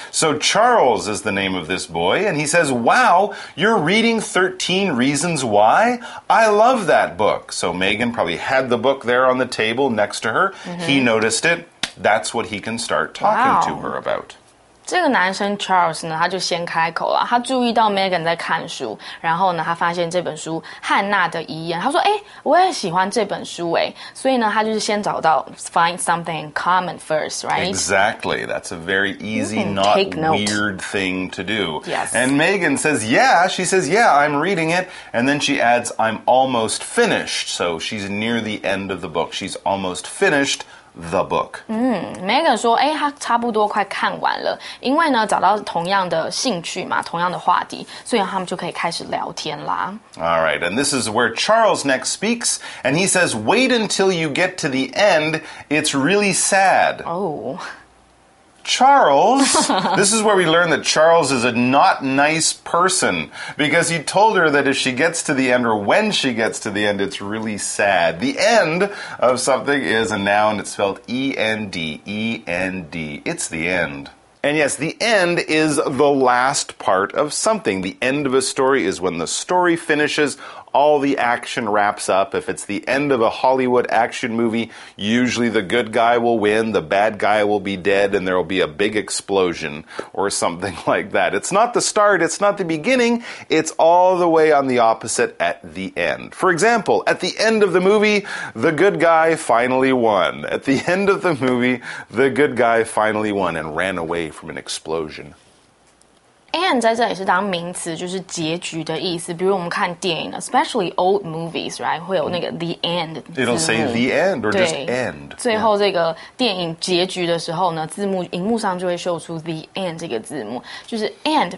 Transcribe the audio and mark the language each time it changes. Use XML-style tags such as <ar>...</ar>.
<en>So Charles is the name of this boy, and he says, Wow, you're reading 13 Reasons Why? I love that book. So Megan probably had the book there on the table next to her. He noticed it. That's what he can start talking to her about.</en> <zh>这个男生 Charles 呢，他就先开口了。他注意到 Megan 在看书，然后呢，他发现这本书《汉娜的遗言》。他说：“哎，我也喜欢这本书哎。” 所以呢，他就是先找到</zh> <en>find something in common first, right? Exactly. That's a very easy, not weird thing to do. Yes. And Megan says, "Yeah." She says, "Yeah, I'm reading it." And then she adds, "I'm almost finished." So she's near the end of the book. She's almost finished. The book.</en> <zh>Megan 说，哎，她差不多快看完了，因为呢，找到同样的兴趣嘛，同样的话题，所以他们就可以开始聊天啦。</zh> <en>All right, and this is where Charles next speaks, and he says, "Wait until you get to the end. It's really sad." Charles, this is where we learn that Charles is a not nice person because he told her that if she gets to the end or when she gets to the end, it's really sad. The end of something is a noun. It's spelled E-N-D, E-N-D. It's the end. And yes, the end is the last part of something. The end of a story is when the story finishes, all the action wraps up. If it's the end of a Hollywood action movie, usually the good guy will win, the bad guy will be dead, and there will be a big explosion or something like that. It's not the start, it's not the beginning, it's all the way on the opposite at the end. For example, at the end of the movie, the good guy finally won. At the end of the movie, the good guy finally won and ran away. From an explosion.</en> <zh>And 在这里是当名词，就是结局的意思。比如我们看电影 ，</zh> <en>especially old movies, right?</en> <zh>会有那个 the end.</zh> <en>It'll say the end or just end.</en> <zh>最后这个电影结局的时候呢，字幕荧幕上就会秀出 the end 这个字幕，就是 end.</zh>